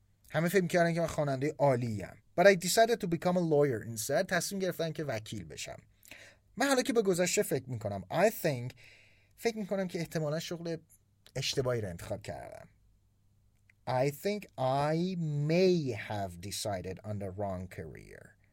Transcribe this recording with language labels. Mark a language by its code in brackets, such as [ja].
[fa] همه فکر می‌کردن که من خواننده عالی‌ام. [en] But I decided to become a lawyer instead. [fa] تصمیم گرفتم که وکیل بشم. من حالا که به گذشته فکر میکنم. فکر میکنم که احتمالا شغل اشتباهی را انتخاب کردم. [en] I think I may have decided on the wrong career.